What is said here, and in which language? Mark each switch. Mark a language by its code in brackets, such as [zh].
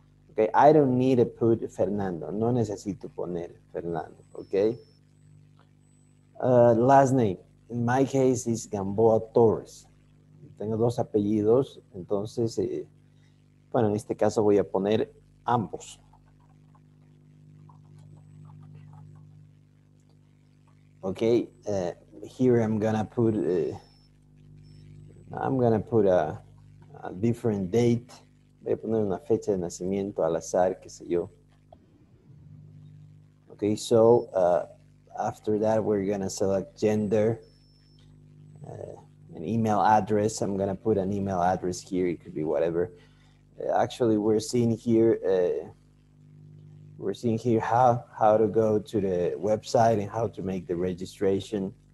[en] Okay, I don't need to put Fernando, [es] no necesito poner Fernando, [en] okay? Last name, in my case, is Gamboa Torres. [es] Tengo dos apellidos, entonces, bueno, en este caso voy a poner ambos. [en] Okay, here I'm gonna put a different date. [es] Voy a poner una fecha de nacimiento al azar, qué sé yo. [en] Okay, so after that we're gonna select gender, an email address. I'm gonna put an email address here. It could be whatever. Actually, we're seeing here how to go to the website and how to make the registration.